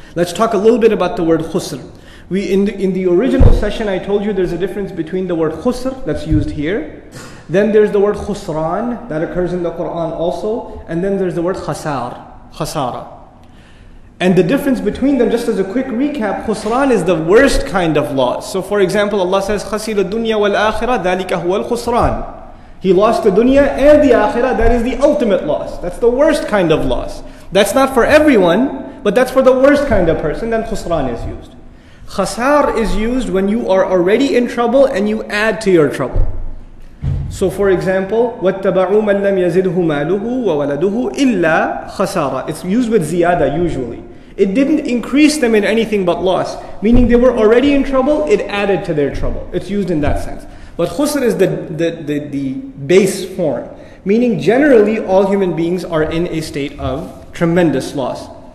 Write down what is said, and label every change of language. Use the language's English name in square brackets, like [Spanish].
[English] Let's talk a little bit about the word خُسْر. In the original session I told you there's a difference between the word خُسْر that's used here. Then there's the word خُسْران that occurs in the Quran also. And then there's the word خَسَار, خَسَارَ. And the difference between them, just as a quick recap, خُسْران is the worst kind of loss. So for example, Allah says [Arabic] خَسِرَ الدُّنْيَا وَالْآخِرَةِ ذَلِكَ هُوَ الْخُسْرَانِ. [English] He lost the dunya and the akhirah, that is the ultimate loss. That's the worst kind of loss. That's not for everyone, but that's for the worst kind of person. Then khusran is used. Khasar is used when you are already in trouble and you add to your trouble. So for example, [Arabic] وَاتَّبَعُوا مَنْ لَمْ يَزِدْهُ مَالُهُ وَوَلَدُهُ إِلَّا خَسَارَ. [English] It's used with ziyada usually. It didn't increase them in anything but loss. Meaning they were already in trouble, it added to their trouble. It's used in that sense. But khusr is the base form, meaning generally all human beings are in a state of tremendous loss.